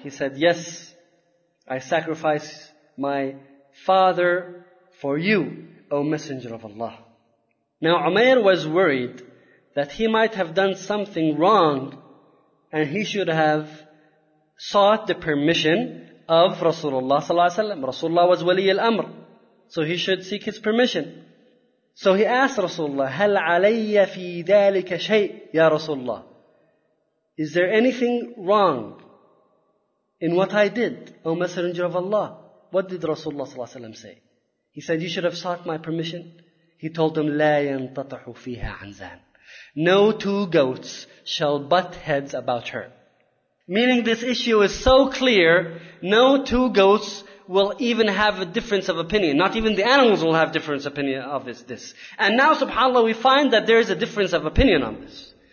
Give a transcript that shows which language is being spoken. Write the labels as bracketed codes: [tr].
[en] He said, yes, I sacrifice my father for you, O Messenger of Allah. Now Umayr was worried that he might have done something wrong and he should have sought the permission of Rasulullah Sallallahu Alaihi Wasallam. Rasulullah was Wali al-Amr, so he should seek his permission. So he asked Rasulullah, [ar] هَلْ عَلَيَّ فِي ذَلِكَ شَيْءٍ يَا Rasulullah? [en] Is there anything wrong in what I did, O Messenger of Allah? What did Rasulullah Sallallahu Alaihi Wasallam say? He said, you should have sought my permission. He told them, [ar] لَا يَنْتَطَحُ فِيهَا عَنْزَانٍ. [en] No two goats shall butt heads about her. Meaning this issue is so clear, no two goats will even have a difference of opinion. Not even the animals will have difference of opinion of this. And now, subhanAllah, we find that there is a difference of opinion on this.